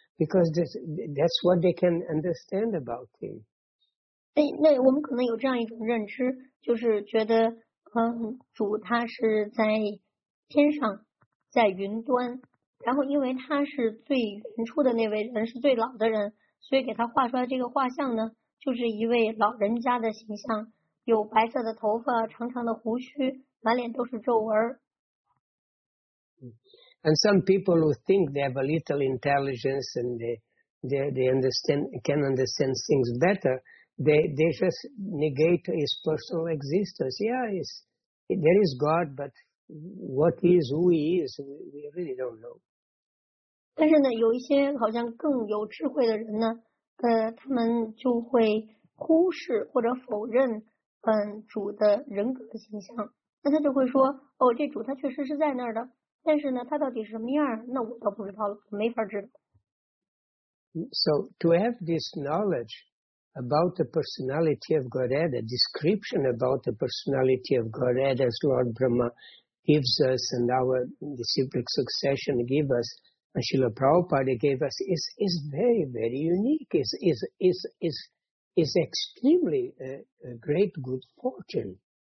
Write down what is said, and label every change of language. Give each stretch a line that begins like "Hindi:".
English: Because that's what they can understand about him.
Chinese: 那我们可能有这样一种认知，就是觉得，主他是在天上，在云端，然后因为他是最原初的那位人，是最老的人，所以给他画出来这个画像呢，就是一位老人家的形象，有白色的头发，长长的胡须，满脸都是皱纹。
English: And some people who think they have a little intelligence and they understand, can understand things better, they just negate his personal existence. There is God, but what he is, who he is, we really don't know.
Chinese: 但是呢，有一些好像更有智慧的人呢，他们就会忽视或者否认主的人格的形象，那他就会说，哦，这主他确实是在那儿的，但是呢他到底是什么样，那我倒不知道了，没法知道。
English: So to have this knowledge about the personality of Godhead, a description about the personality of Godhead as Lord Brahma gives us and our disciplic succession give us, and Srila Prabhupada gave us, is very, very unique, is extremely a great good fortune.